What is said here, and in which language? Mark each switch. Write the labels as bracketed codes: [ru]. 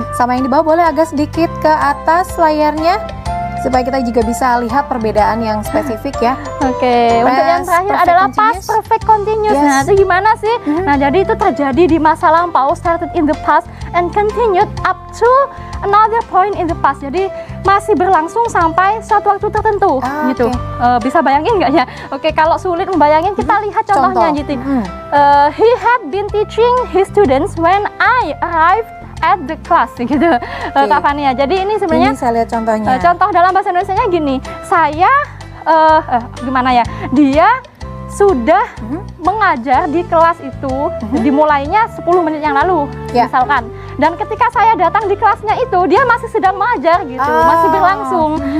[id] Sama yang di bawah boleh agak sedikit ke atas layarnya supaya kita juga bisa lihat perbedaan yang spesifik ya. Oke, okay. Untuk yang terakhir adalah past perfect continuous. Yes. Nah, itu gimana sih? Nah, jadi itu terjadi di masa lampau, [en] started in the past and continued up to another point in the past. [id] Jadi masih berlangsung sampai suatu waktu tertentu gitu. Bisa bayangin enggak ya? Oke, kalau sulit membayangin kita lihat contohnya gitu. [en] He had been teaching his students when I arrived at the class [id] gitu, okay. Kak Fania. Jadi ini sebenarnya, ini saya lihat contohnya. Contoh dalam bahasa Indonesia-nya gini, saya, gimana ya, dia sudah mengajar di kelas itu dimulainya 10 menit yang lalu, misalkan. Dan ketika saya datang di kelasnya itu, dia masih sedang mengajar gitu, masih berlangsung.